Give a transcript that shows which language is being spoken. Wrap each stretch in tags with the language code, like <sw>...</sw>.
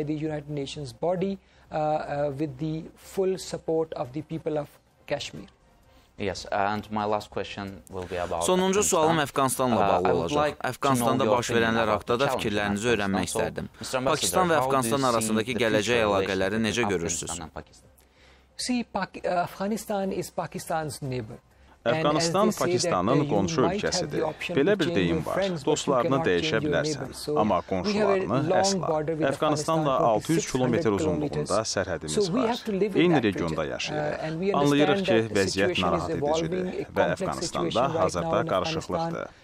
<en>With the full support of the people of Kashmir. Yes, and my last question will be about</en> <az>Sonuncu sualım Əfqanistanla bağlı olacaq. Əfqanistanda baş verənlər haqqında da fikirlərinizi öyrənmək istərdim. Pakistan və Əfqanistan arasındakı gələcək əlaqələri necə görürsünüz?</az> <en>See, Afghanistan is Pakistan's neighbor.</en> <az>Əfqanistan Pakistanın qonşu ölkəsidir. Belə bir deyim var, dostlarını dəyişə bilərsən, amma qonşularını əsla. Əfqanistanla 600 kilometr uzunluğunda sərhədimiz var. Eyni regionda yaşayırıq. Anlayırıq ki, vəziyyət narahat edicidir və Əfqanistanda hazırda qarışıqlıqdır.</az>